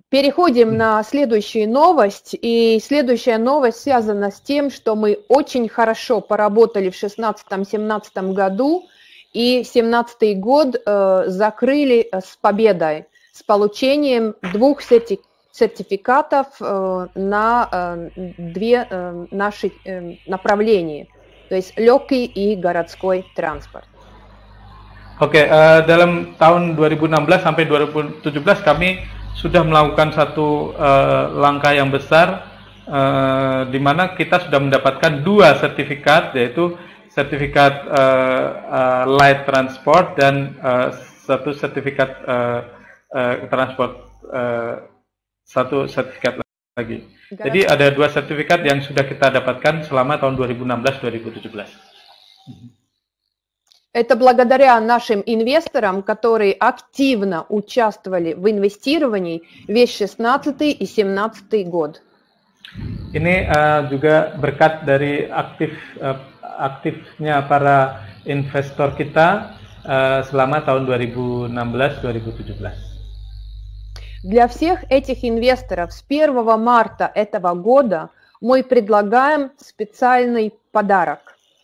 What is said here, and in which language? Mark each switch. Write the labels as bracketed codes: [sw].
[ru] Переходим на следующую новость. И следующая новость связана с тем, что мы очень хорошо поработали в 2016-2017 году и 2017 год закрыли с победой, с получением двух сертификатов на две наши направления, то есть легкий и городской транспорт. [id] Okay, dalam tahun 2016 sampai 2017 kami sudah melakukan satu langkah yang besar di mana kita sudah mendapatkan dua sertifikat, yaitu sertifikat light transport dan satu sertifikat transport, satu sertifikat lagi. Jadi ada dua sertifikat yang sudah kita dapatkan selama tahun 2016-2017. [ru] Это благодаря нашим инвесторам, которые активно участвовали в инвестировании весь 2016 и 2017 год. [id] Ini juga berkat dari aktifnya para investor kita selama tahun 2016-2017. [ru] Для всех этих инвесторов с 1 марта этого года мы предлагаем специальный подарок.